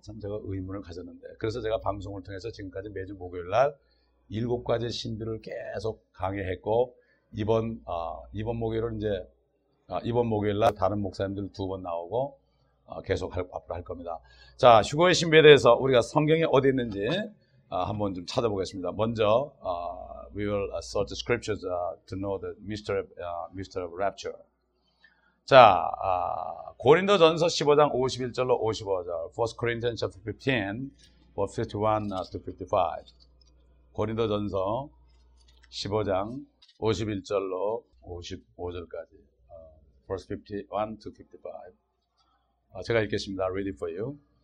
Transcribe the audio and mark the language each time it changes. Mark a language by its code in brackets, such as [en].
[ko] 참 제가 의문을 가졌는데, 그래서 제가 방송을 통해서 지금까지 매주 목요일날 일곱 가지 신비를 계속 강의했고, 이번 목요일은 이제 이번 목요일날 다른 목사님들 두 번 나오고 계속 앞으로 할 겁니다. 자, 휴거의 신비에 대해서 우리가 성경에 어디 있는지 한번 좀 찾아보겠습니다. 먼저 [en] we will search the scriptures to know the mystery of rapture. [ko] 자, 고린도전서 15장 51절로 55절. [en] 1 Corinthians chapter 15, 51 to 55. [ko] 고린도전서 15장 51절로 55절까지. [en] 1 51 to 55. [ko] 제가 읽겠습니다. [en] Ready for you.